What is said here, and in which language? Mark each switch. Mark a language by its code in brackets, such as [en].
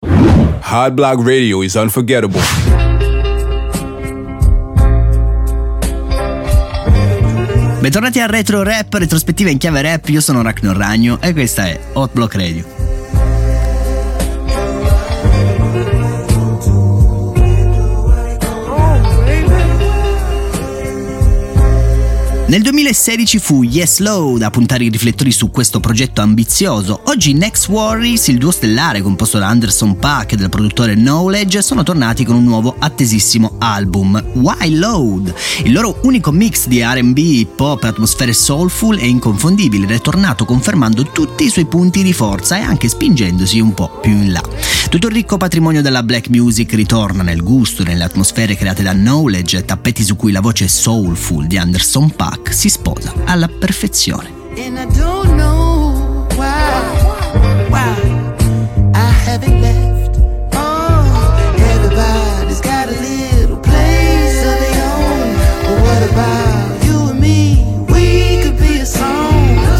[en] Hot Block Radio is unforgettable. [it] Bentornati a Retro Rap, retrospettiva in chiave rap. Io sono Rachno Ragno e questa è Hot Block Radio. Nel 2016 fu Yes Load a puntare i riflettori su questo progetto ambizioso. Oggi Next Warriors, il duo stellare composto da Anderson .Paak e dal produttore Knowledge, sono tornati con un nuovo attesissimo album, Why Load. Il loro unico mix di R&B, hip hop, atmosfere soulful e inconfondibile ed è tornato confermando tutti i suoi punti di forza e anche spingendosi un po' più in là. Tutto il ricco patrimonio della black music ritorna nel gusto, nelle atmosfere create da Knowledge, tappeti su cui la voce soulful di Anderson .Paak si sposa alla perfezione. [en] And I don't know why I haven't left. Oh, everybody's got a little place of their own. But what about you and me? We could be a song.